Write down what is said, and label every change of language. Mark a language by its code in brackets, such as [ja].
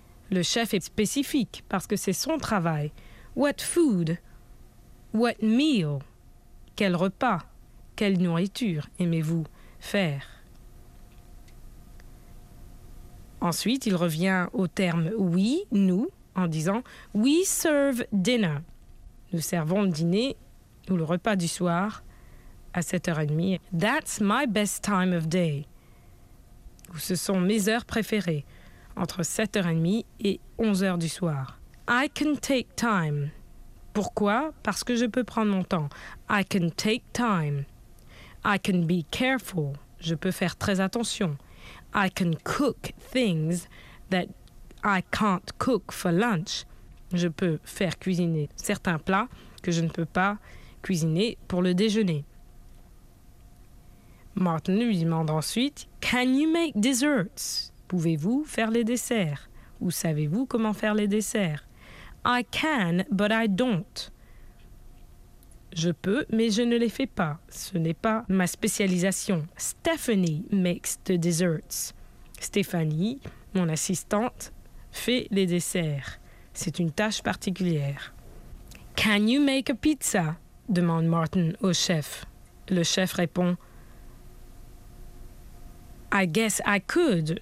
[fr] Le chef est spécifique parce que c'est son travail. [en] What food? What meal? [fr] Quel repas? Quelle nourriture aimez-vous faire? Ensuite, il revient au terme « oui, nous » en disant « [en] We serve dinner [fr] ». Nous servons le dîner ou le repas du soir à 7h30. [en] That's my best time of day. [fr] Ou ce sont mes heures préférées, entre 7h30 et 11h du soir. [en] I can take time. [fr] Pourquoi? Parce que je peux prendre mon temps. [en] I can take time. I can be careful. [fr] Je peux faire très attention. [en] I can cook things that I can't cook for lunch. [fr] Je peux faire cuisiner certains plats que je ne peux pas cuisiner pour le déjeuner. Martin lui demande ensuite, [en] Can you make desserts? [fr] Pouvez-vous faire les desserts? Ou savez-vous comment faire les desserts? [en] I can, but I don't. [fr] Je peux, mais je ne les fais pas. Ce n'est pas ma spécialisation. [en] Stephanie makes the desserts. [fr] Stéphanie, mon assistante, fait les desserts. C'est une tâche particulière. [en] Can you make a pizza? [fr] Demande Martin au chef. Le chef répond, [en] I guess I could.